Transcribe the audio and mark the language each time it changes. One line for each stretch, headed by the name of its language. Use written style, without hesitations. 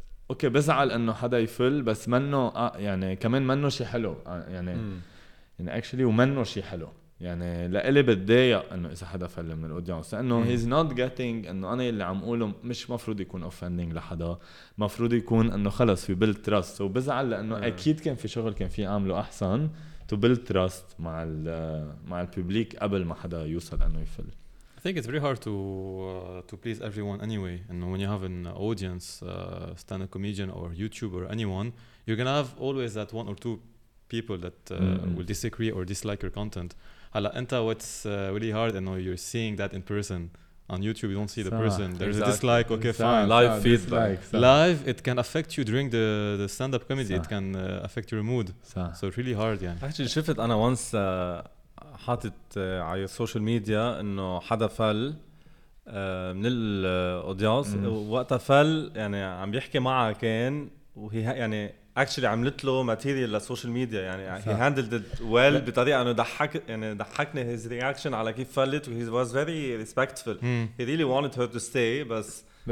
Arabic: اوكي بزعل انه حدا يفل بس منه يعني كمان منه شي حلو يعني يعني actually ومنه شي حلو يعني لقلي بتضايق انه اذا حدا فل من الاودينس لانه
English: he's not getting
Arabic: انه انا اللي عم اقوله مش مفروض يكون offending لحدا مفروض يكون انه خلص في
English: build trust
Arabic: وبزعل لانه اكيد كان في شغل كان في اعمله احسن
English: to build trust
Arabic: مع الـ مع الببليك قبل ما حدا يوصل انه يفل.
English: I think it's very hard to please everyone anyway and when you have an audience stand up comedian or youtuber anyone you're gonna have always that one or two people that will disagree or dislike your content.
Arabic: Hala, enta
English: what's really hard, and you know, you're seeing that in person on YouTube. You don't see the person. There's a dislike. Okay, fine. Live feedback. Live, it can affect you during the stand-up comedy. It can affect your mood. So it's really hard, yeah.
Arabic: Actually, شفت أنا once حاطت على social media إنه حدا فل من الأودياس وقت فل يعني عم بيحكي معه كان وهي يعني.
English: Actually
Arabic: عملت له ماتيريال للسوشيال ميديا يعني
English: he handled it well
Arabic: بطريقه انه ضحك يعني ضحكني
English: his reaction
Arabic: على كيف فلت
English: he was very respectful he really wanted her to stay بس